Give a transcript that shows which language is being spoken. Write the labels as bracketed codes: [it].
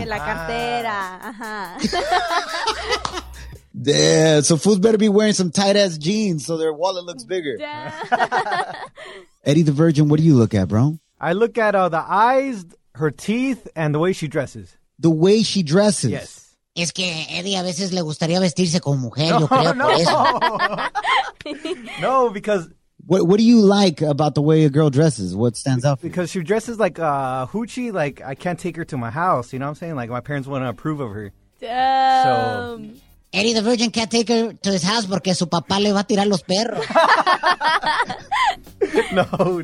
[es] Hey, la cartera, ajá. [en] Yeah, so fools better be wearing some tight-ass jeans so their wallet looks bigger. Eddie the Virgin, what do you look at, bro? I look at the eyes, her teeth, and the way she dresses. The way she dresses? Yes. [es] Es que Eddie a veces le gustaría vestirse como mujer, no, yo creo no. Por eso. [en] No, because... What do you like about the way a girl dresses? What stands out for because you? She dresses like a hoochie, like I can't take her to my house, you know what I'm saying? Like my parents wouldn't approve of her. Damn. So... Eddie the Virgin can't take her to his house [es] porque su papá le va a tirar los perros.